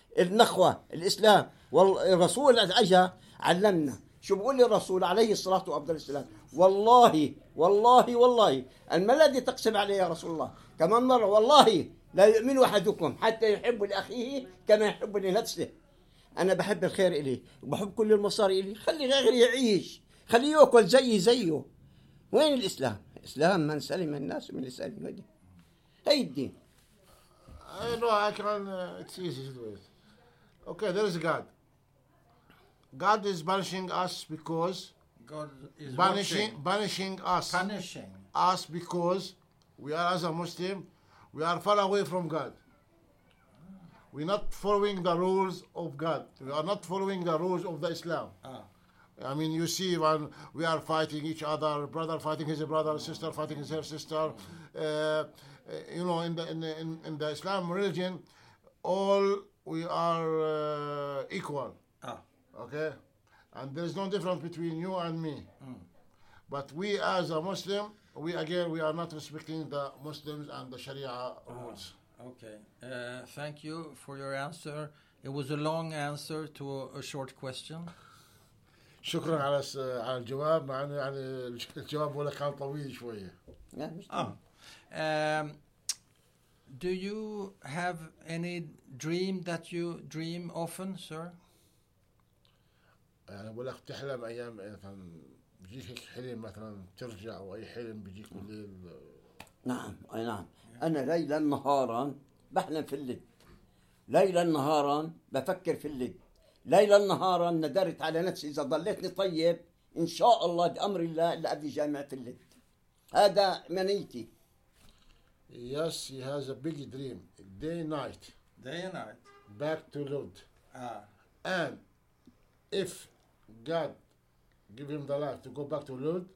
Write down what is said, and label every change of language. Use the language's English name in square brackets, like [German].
[Arabic] النخوة الإسلام والرسول أجا علمنا شو بقول الرسول عليه الصلاة والسلام والله والله والله ما الذي تقسم عليه يا رسول الله كمان مرة والله لا يؤمن أحدكم حتى يحب لأخيه كما يحب لنفسه أنا بحب الخير إلي وبحب كل المصاري إلي خلي غيري يعيش خلي يأكل زيه وين الإسلام إسلام من سلم الناس من لسانه ويده هي الدين [English] I know I can it's easy okay there is God is punishing us because God is punishing us because we are as a Muslim we are far away from God we are not following the rules of God we are not following the rules of the Islam I mean, you see, when we are fighting each other, brother fighting his brother, sister fighting his sister. You know, in the Islam religion, all we are equal. Okay, and there is no difference between you and me. But we, as a Muslim, we are not respecting the Muslims and the Sharia rules. Okay, thank you for your answer. It was a long answer to a short question. [Arabic] شكرا على الجواب معنا يعني الجواب ولا كان طويل شوية. [English] Do you have any dream that you dream often, sir? [Arabic] أنا بقول لك تحلم أيام مثلاً بيجيك حلم مثلاً ترجع أو أي حلم بيجيك الليل. نعم. أنا ليلا نهارا بحلم في الليل. ليلا نهارا بفكر في الليل. ليلا نهارا ندرت على نفسي إذا ضليتني طيب إن شاء الله بأمر الله اللي أبدي جامعة الليد هذا منيتي [English] Yes, he has a big dream Day and night Back to Lod And if God give him the life to go back to Lod